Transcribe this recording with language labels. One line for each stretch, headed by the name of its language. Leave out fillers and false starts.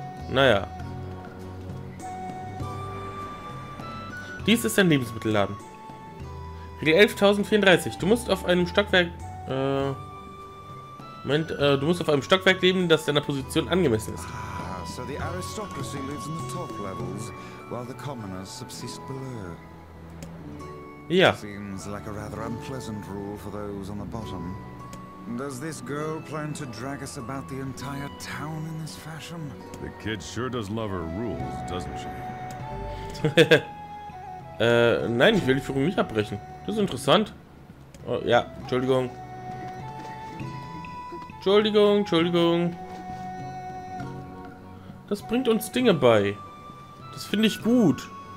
German: Naja. Dies ist ein Lebensmittelladen. Regel 11.034. Du musst auf einem Stockwerk. Moment, du musst auf einem Stockwerk leben, das deiner Position angemessen ist.
English: Ah, so the aristocracy lives in the top levels, while the commoners subsist below.
German: Ja.
English: Seems like a rather unpleasant rule for those on the bottom. Does this girl plan to drag us about the entire town in this fashion? The kid sure does love her rules, doesn't she?
German: nein, ich will die Führung nicht abbrechen. Das ist interessant. Oh, ja, Entschuldigung. Entschuldigung, Entschuldigung. Das bringt uns Dinge bei. Das finde ich gut.